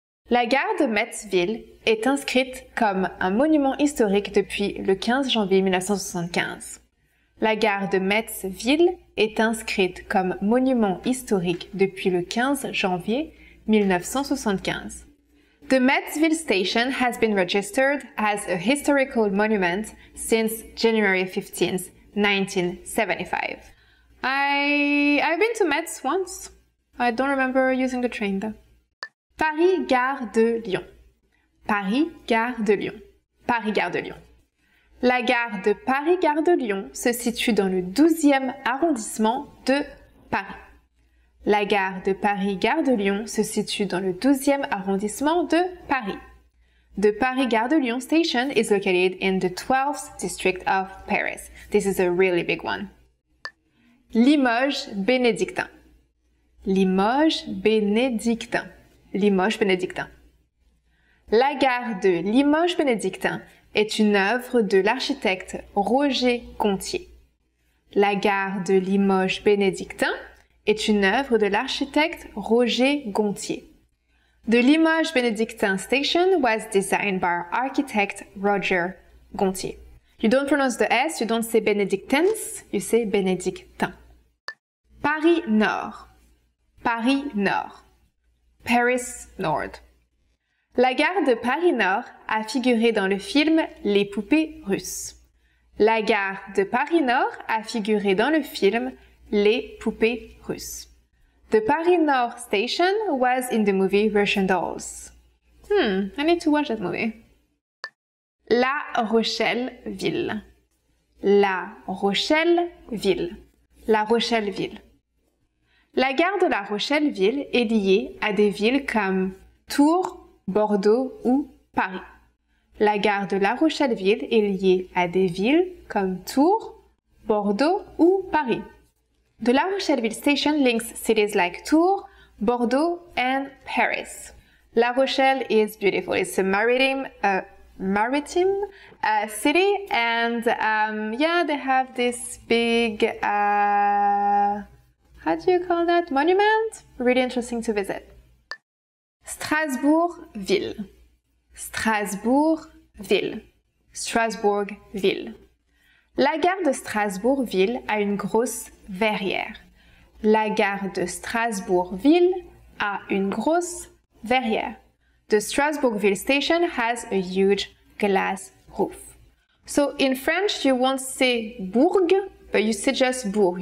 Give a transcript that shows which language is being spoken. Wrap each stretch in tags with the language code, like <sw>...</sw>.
<fr>La gare de Metzville est inscrite comme un monument historique depuis le 15 janvier 1975. La gare de Metzville est inscrite comme monument historique depuis le 15 janvier 1975.</fr> <en>The Metzville station has been registered as a historical monument since January 15th, 1975. I've been to Metz once. I don't remember using the train though. Paris, gare de Lyon.</en> <fr>Paris, gare de Lyon. Paris, gare de Lyon. La gare de Paris, gare de Lyon se situe dans le 12e arrondissement de Paris. La gare de Paris, gare de Lyon se situe dans le 12e arrondissement de Paris.</fr> <en>The Paris Gare de Lyon station is located in the 12th district of Paris. This is a really big one. Limoges Bénédictin.</en> <fr>Limoges Bénédictin. Limoges Bénédictin. La gare de Limoges Bénédictin est une œuvre de l'architecte Roger Contier. La gare de Limoges Bénédictin est une œuvre de l'architecte Roger Contier.</fr> <en>The Limoges Bénédictin station was designed by architect Roger Contier. You don't pronounce the S, you don't say Bénédictins, you say Bénédictin.</en> <fr>Paris Nord. Paris Nord. Paris Nord. La gare de Paris Nord a figuré dans le film Les poupées russes. La gare de Paris Nord a figuré dans le film Les poupées russes.</fr> <en>The Paris Nord station was in the movie Russian Dolls. I need to watch that movie. La Rochelle-Ville.</en> <fr>La Rochelle-Ville. La Rochelle-Ville. La gare de La Rochelle-Ville est liée à des villes comme Tours, Bordeaux ou Paris. La gare de La Rochelle-Ville est liée à des villes comme Tours, Bordeaux ou Paris.</fr> <en>The La Rochelle-Ville station links cities like Tours, Bordeaux, and Paris. La Rochelle is beautiful. It's a maritime city, and they have this big monument. Really interesting to visit. Strasbourg Ville.</en> <fr>Strasbourg Ville. Strasbourg Ville. La gare de Strasbourg-Ville a une grosse verrière. La gare de Strasbourg-Ville a une grosse verrière.</fr> <en>The Strasbourg-Ville station has a huge glass roof. So in French, you won't say Bourg, but you say just Bourg.</en>